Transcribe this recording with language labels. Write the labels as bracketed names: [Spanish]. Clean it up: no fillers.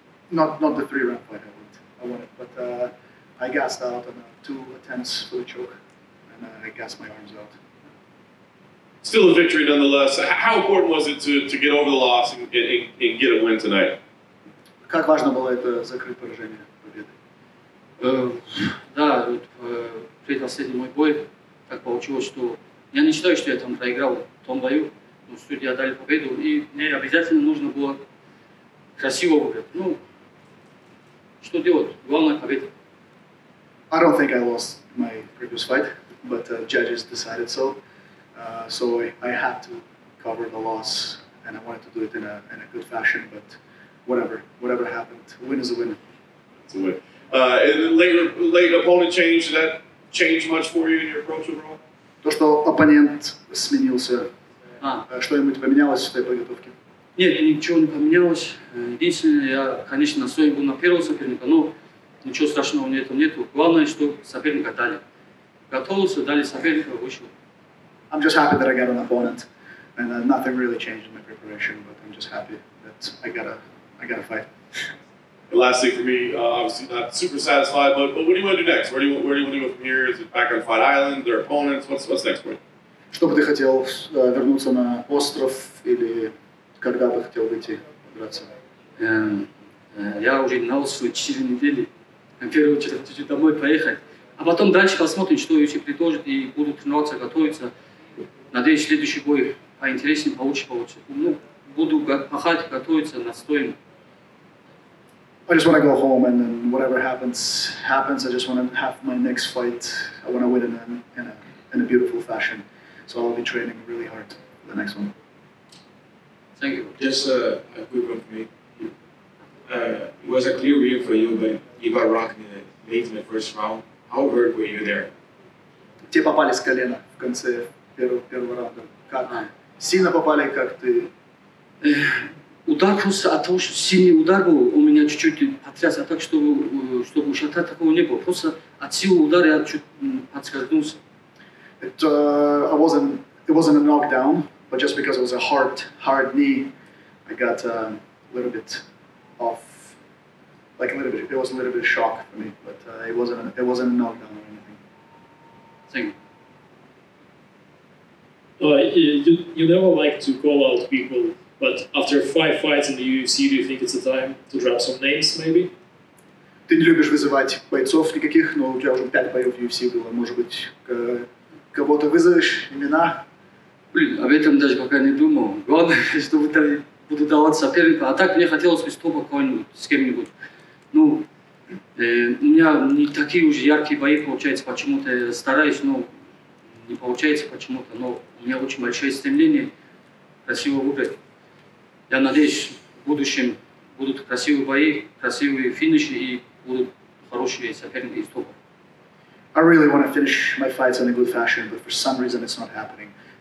[English] Not the three round fight I wanted, but I gassed out on two attempts for the choke, and I gassed my arms out. Still a victory nonetheless. How important was it to get over the loss and get a win tonight? [Russian] Как важно было это закрыть поражение победы? Да, вот предпоследний мой бой, так получилось, что я не считаю, что я там проиграл в том бою. Но судья дали победу, и мне обязательно нужно было красиво выиграть. Ну, что делать? Главное — победа. [English] I don't think I lost my previous fight, but judges decided so. So I had to cover the loss, and I wanted to do it in a good fashion, but whatever happened, a win is a win. It's a win. And then late opponent change, did that change much for you in your approach overall? [Russian] То, что оппонент сменился. Что-нибудь поменялось в этой подготовке? Нет, ничего не поменялось. Единственное, я, конечно, настроен был на первого соперника, но ничего страшного нету. Главное, что соперника дали. Готовился, дали соперника, вышел. [English] I'm just happy that I got an opponent, and nothing really changed in my preparation, but I'm just happy that I got a fight. And last thing for me, obviously not super satisfied, but what do you want to do next? Where do you want to go from here? Is it back on Fight Island? Their opponents? What's next for you? [Russian] Что бы ты хотел, вернуться на остров или когда бы хотел выйти драться? Я уже на острове 4 недели. В первую очередь хочу домой поехать. А потом дальше посмотрим, что UFC предложит, и буду тренироваться, готовиться. Надеюсь, следующий бой поинтереснее, получше. Ну, буду пахать, готовиться, настроен. [English] I just want to go home, and then whatever happens. I just want to have my next fight. I want to win in a beautiful fashion. So I'll be training really hard for the next one. Thank you. Just a quick one for me. It was a clear win for you, but you got rocked late in the first round. How hurt were you there? [Russian] Тебе попали с колена в конце первого раунда. Как? Сильно попали, как ты? Удар просто от того, что сильный удар был, у меня чуть-чуть потряс, а так, чтобы ушата такого не было. Просто от силы удара я чуть подскользнулся. [English] It wasn't a knockdown, but just because it was a hard knee, I got a little bit off, like a little bit. It was a little bit of shock for me, but it wasn't a knockdown or anything. Thank you. You never like to call out people, but after five fights in the UFC, do you think it's a time to drop some names, maybe? [Russian] Ты не любишь вызывать бойцов никаких, но у тебя уже 5 боев в UFC было, может быть. Кого-то вызовешь, имена? Блин, об этом даже пока не думал. Главное, чтобы я буду давать соперника. А так мне хотелось бы стопа кого-нибудь, с кем-нибудь. Ну, у меня не такие уж яркие бои получаются. Почему-то я стараюсь, но не получается почему-то. Но у меня очень большое стремление красиво выиграть. Я надеюсь, в будущем будут красивые бои, красивые финиши и будут хорошие соперники из стопа. [English] I really want to finish my fights in a good fashion, but for some reason it's not happening.